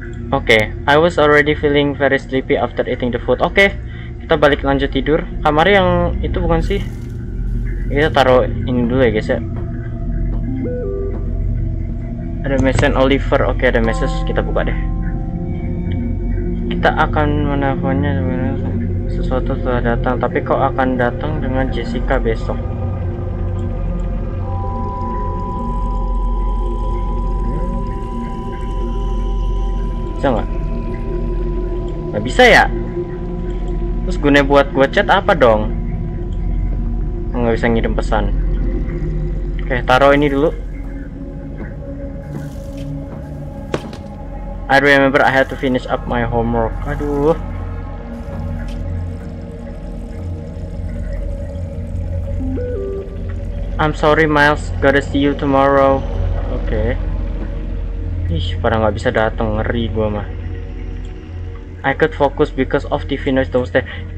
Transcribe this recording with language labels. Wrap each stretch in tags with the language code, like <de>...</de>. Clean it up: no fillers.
<en>Oke, okay. I was already feeling very sleepy after eating the food.</en> <id>Oke. Okay. Kita balik lanjut tidur. Kamar yang itu bukan sih? Kita taruh ini dulu ya, guys ya. Ada message Oliver. Oke, ada message, kita buka deh. Kita akan menelponnya sebenarnya. Sesuatu sudah datang, tapi kok akan datang dengan Jessica besok? Bisa gak? Gak bisa ya? Terus gunanya buat gua chat apa dong? Gak bisa ngirim pesan. Oke, taruh ini dulu.</id> <en>I remember I had to finish up my homework.</en> <id>Aduh.</id> <en>I'm sorry, Miles. Gotta see you tomorrow. Oke. Okay.</en> <id>Ih, pada nggak bisa datang, ngeri gua mah.</id> <en>I could focus because of TV noise downstairs.</en>